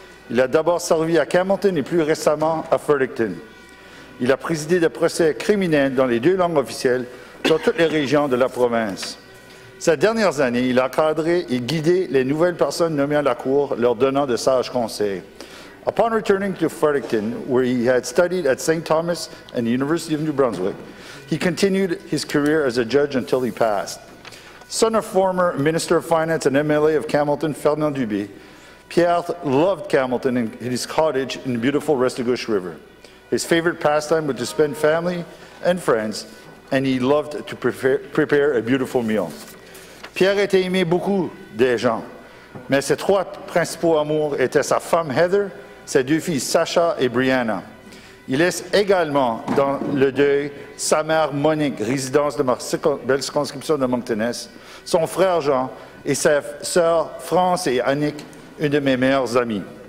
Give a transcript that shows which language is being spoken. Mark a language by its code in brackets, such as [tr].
[fr] Il a d'abord servi à Camilton et plus récemment à Fredericton. Il a présidé des procès criminels dans les deux langues officielles dans toutes les régions de la province. Ces dernières années, il a cadré et guidé les nouvelles personnes nommées à la Cour, leur donnant de sages conseils. [en] Upon returning to Fredericton, where he had studied at St. Thomas and the University of New Brunswick, he continued his career as a judge until he passed. Son of former Minister of Finance and MLA of Camilton, Ferdinand Dubé, Pierre loved Camilton and his cottage in the beautiful Restigouche River. His favorite pastime was to spend family and friends, and he loved to prepare a beautiful meal. [fr] Pierre était aimé beaucoup des gens, mais ses trois principaux amours étaient sa femme Heather, ses deux filles Sacha et Brianna. Il laisse également dans le deuil sa mère Monique, résidence de ma belle circonscription de Moncton-Est, son frère Jean et sa sœur France et Annick, une de mes meilleures amies.